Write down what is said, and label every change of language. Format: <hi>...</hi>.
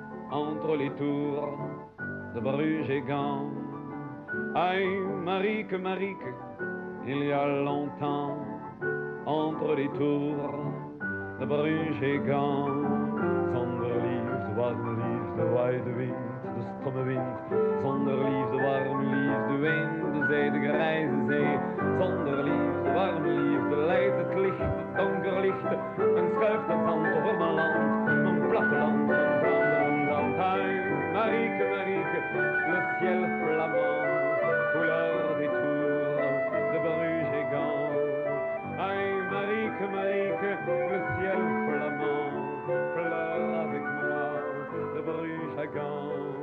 <fr>Entre les tours de Bruges et Gand. Aïe, Marique, Marique, il y a longtemps. Entre les tours de Bruges et Gand.</fr> <nl>Zonder liefde, warme liefde, waaide wind, de stomme wind. Zonder liefde, warme liefde, wind, de zee, de grijze zee. Zonder liefde, warme liefde, leidt het licht, het donker licht. En schuift het zand over mijn land, mijn platteland, mijn vaderland.</nl> <fr>Hai, Marieke, Marieke, le ciel flamand, couleur des tours de Bruges et Gand. Hai, Marieke, Marieke, le ciel flamand, pleure avec moi de Bruges et Gand.</fr>